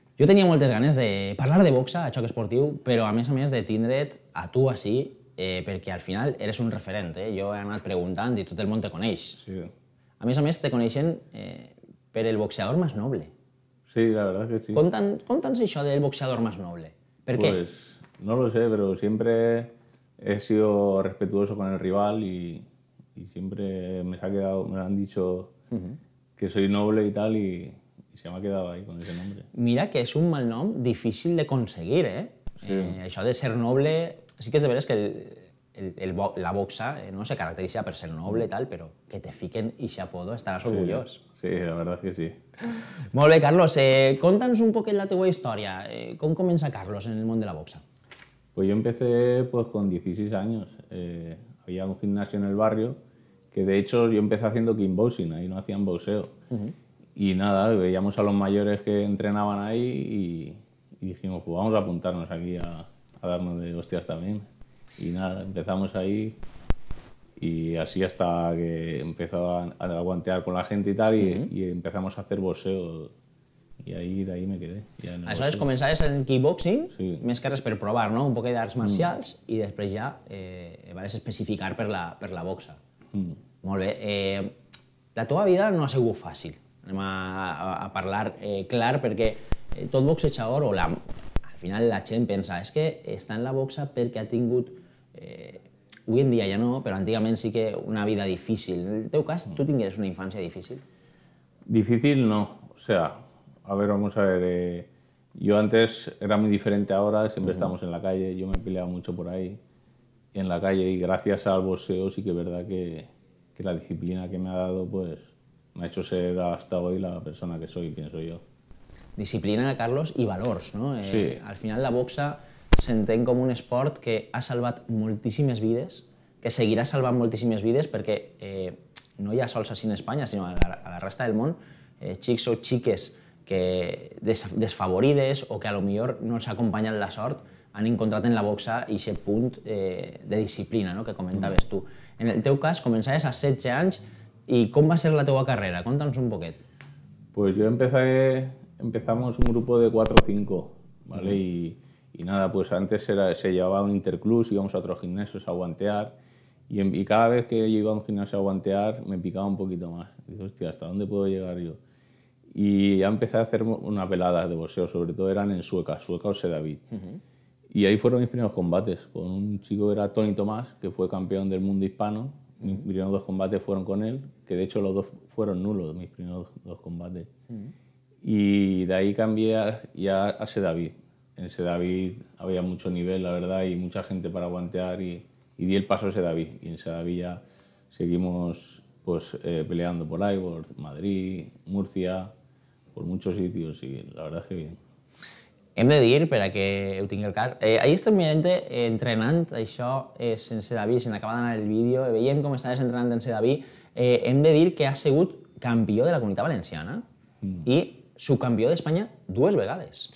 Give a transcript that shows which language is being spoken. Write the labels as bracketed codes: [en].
[ca] Jo tenia moltes ganes de parlar de boxa a Xoc Esportiu, però a més de tindre't a tu així, perquè al final eres un referent. Jo he anat preguntant i tot el món te coneix. [es] Sí. [ca] A més, te coneixen per el [es] boxeador más noble. Sí, la verdad que sí. [ca] Conta'ns això del [es] boxeador más noble. [ca] Per [es] pues, [ca] què? [es] Pues no lo sé, pero siempre he sido respetuoso con el rival y siempre me ha quedado, me han dicho que soy noble y tal, y se me ha quedado ahí con ese nombre. [ca] Mira que es un mal nom difícil de conseguir, ¿eh? [es] Sí. [ca] Això de ser noble, sí que és de veres que la boxa no se caracteritza per ser noble i tal, però que te fiquen i si apodo estaràs orgullós. [es] Sí, la verdad es que sí. [ca] Molt bé, Carlos, conta'ns un poquet la teua història. Com comença Carlos en el món de la boxa? [es] Pues yo empecé pues con 16 años. Había un gimnasio en el barrio, que de hecho yo empecé haciendo kickboxing, ahí no hacían boxeo. Y nada, veíamos a los mayores que entrenaban ahí y dijimos, pues vamos a apuntarnos aquí a darnos de hostias también. Y nada, empezamos ahí y así hasta que empezó a aguantear con la gente y tal, y empezamos a hacer boxeo i ahí, d'ahí me quedé. [ca] Aleshores, començaves en kickboxing, sí. Més que res per provar, no?, un poquet d'arts marcials, i després ja vas especificar per la boxa. Molt bé. La teva vida no ha sigut fàcil. Anem a parlar clar, perquè tot boxejador, al final la gent pensa és que està en la boxa perquè ha tingut, avui en dia ja no, però antigament sí que una vida difícil. En el teu cas, tu tingueres una infància difícil. [es] Difícil no, o sea, a ver, vamos a ver, yo antes era muy diferente ahora, siempre estamos en la calle, yo me peleaba mucho por ahí, en la calle, y gracias al boxeo sí que es verdad que la disciplina que me ha dado, pues, me ha hecho ser hasta hoy la persona que soy, pienso yo. [ca] Disciplina, Carlos, y valors, ¿no? [es] Sí. [ca] Al final la boxa s'entén com un esport que ha salvat moltíssimes vides, que seguirà salvant moltíssimes vides, perquè no hi ha sols així en Espanya, sinó a la resta del món, xics o xiques que desfavorides o que potser no els ha acompanyat la sort, han encontrat en la boxa aquest punt de disciplina, no?, que comentaves tu. En el teu cas, començaves a 16 anys, i com va ser la teua carrera? Conta'ns un poquet. [es] Pues yo empezamos un grupo de 4 o 5, ¿vale? Y nada, pues antes se llevaba un interclus, íbamos a otros gimnasios a guantear, y cada vez que yo iba a un gimnasio a guantear, me picaba un poquito más. Dice, hostia, ¿hasta dónde puedo llegar yo? Y ya empecé a hacer unas veladas de boxeo, sobre todo eran en Sueca o Sedavid. Y ahí fueron mis primeros combates, con un chico que era Tony Tomás, que fue campeón del mundo hispano. Mis primeros dos combates fueron con él, que de hecho los dos fueron nulos, mis primeros dos combates. Y de ahí cambié ya a Sedavid. En Sedavid había mucho nivel, la verdad, y mucha gente para guantear, y di el paso a Sedavid. Y en Sedavid ya seguimos pues, peleando por ahí, por Madrid, Murcia, por muchos sitios, y la verdad es que bien. [ca] Hem de dir, perquè ho tingui al cap, ahir estem mirant entrenant això sense David, se n'acaba d'anar el vídeo, veiem com estaves entrenant sense David, hem de dir que has sigut campió de la Comunitat Valenciana i subcampió d'Espanya dues vegades.